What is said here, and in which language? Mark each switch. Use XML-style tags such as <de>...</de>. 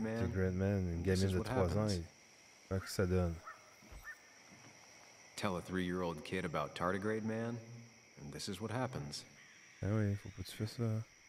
<fr>man, une gamine de 3 ans, et... ça donne.</fr> <en>tell a three-year-old kid about tardigrade man, and this is what happens.</en> <fr>Eh oui, faut pas que tu fais ça.</fr>